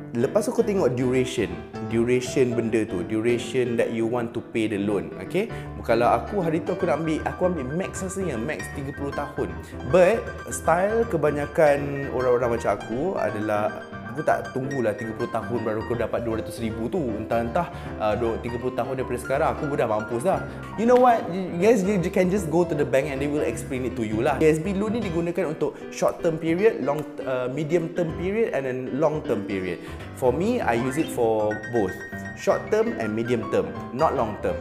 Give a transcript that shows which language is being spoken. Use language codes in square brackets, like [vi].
[ms] Lepas tu kau tengok duration benda tu, [en] duration that you want to pay the loan. [ms] Okay, kalau aku hari tu aku ambil max rasanya, max 30 tahun. But style kebanyakan orang-orang macam aku adalah aku tak tunggulah 30 tahun baru aku dapat 200 ribu tu. Entah-entah 30 tahun daripada sekarang aku dah mampus dah. [en] You know what? You guys can just go to the bank and they will explain it to you lah. [ms] USB loan ni digunakan untuk [en] short term period, long medium term period [ms] and then long term period. [en] For me, I use it for both short term and medium term, not long term.